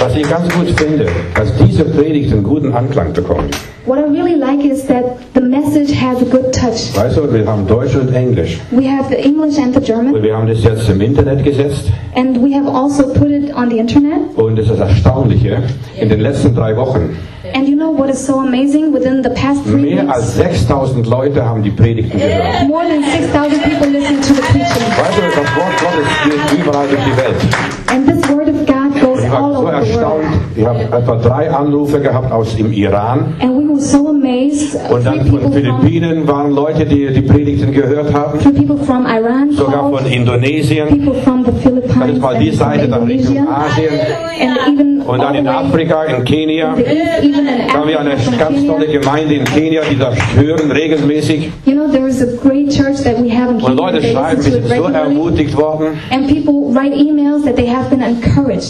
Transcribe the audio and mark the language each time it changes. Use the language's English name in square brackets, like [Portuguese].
[German] Was ich ganz gut finde, dass diese Predigt einen guten Anklang bekommt. [English] What I really like is that the message has a good touch. [German] Weißt du, wir haben Deutsch und Englisch. [English] We have the English and the German. [German] Und wir haben das jetzt im Internet gesetzt. [English] And we have also put it on the Internet. [German] Und es ist erstaunlich, in den letzten drei Wochen. [English] And you know what is so amazing? Within the past three weeks, [German] mehr als 6,000 Leute haben die Predigten gehört. [English] More than 6,000 people listened to the preaching. [German] Weißt du, das Wort Gottes geht überall durch die Welt. [English] And this word of God goes all over the world. [German] Ich war so erstaunt. Ich habe etwa drei Anrufe gehabt aus dem Iran. [English] And we were so amazed. [German] Und dann von Philippinen waren Leute, die die Predigten gehört haben. [English] Three people from Iran. [German] Sogar von Indonesien. [English] People from the Philippines. [German] Dann ist mal die Seite, dann Richtung Asien. [English] And even [German] und dann in Afrika, in Kenia. Da haben wir eine ganz tolle Gemeinde in Kenia, die das hören regelmäßig. [English] You know, there is a great church that we have in Kenya. [German] Und Leute schreiben, wir sind so ermutigt worden. [English] And people write emails that they have been encouraged.